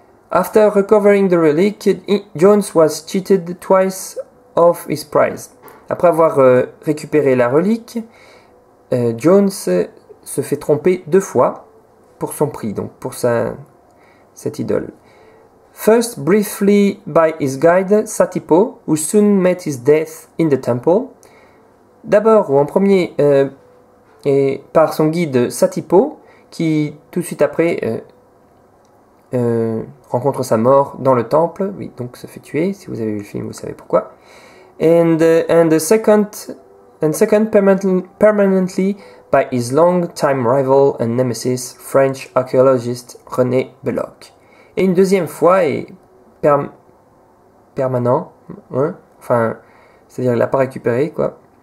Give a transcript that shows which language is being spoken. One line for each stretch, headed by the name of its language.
English: After recovering the relic, Jones was cheated twice of his prize.
French: Après avoir récupéré la relique, Jones se fait tromper deux fois pour son prix, donc pour cette idole.
English: First briefly by his guide Satipo, who soon met his death in the temple.
French: D'abord, ou en premier, et par son guide Satipo, qui tout de suite après rencontre sa mort dans le temple, oui, donc se fait tuer, si vous avez vu le film, vous savez pourquoi.
English: And second permanently by his long time rival and nemesis, French archaeologist René Belloc.
French: Et une deuxième fois, et permanent, hein, enfin, c'est-à-dire qu'il l'a pas récupéré, quoi.